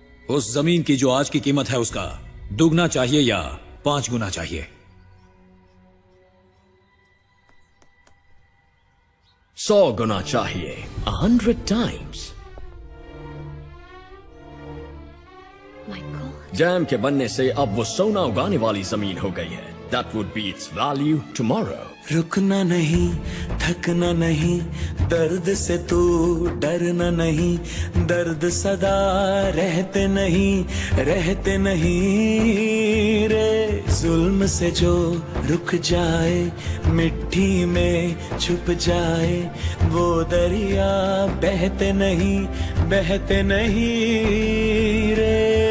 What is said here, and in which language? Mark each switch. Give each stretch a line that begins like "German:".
Hindi: उस जमीन की जो आज की कीमत है उसका दुगना चाहिए या 5 गुना चाहिए? सौ गुना चाहिए,
English: 100 times।
Hindi: डैम के बनने से अब वो सोना उगाने वाली जमीन हो गई है।
English: That would be its value tomorrow.
Hindi: रुकना नहीं, थकना नहीं, दर्द से तू डरना नहीं, दर्द सदा रहते नहीं रे, जुल्म से जो रुक जाए, मिट्टी में छुप जाए, वो दरिया बहते नहीं रे,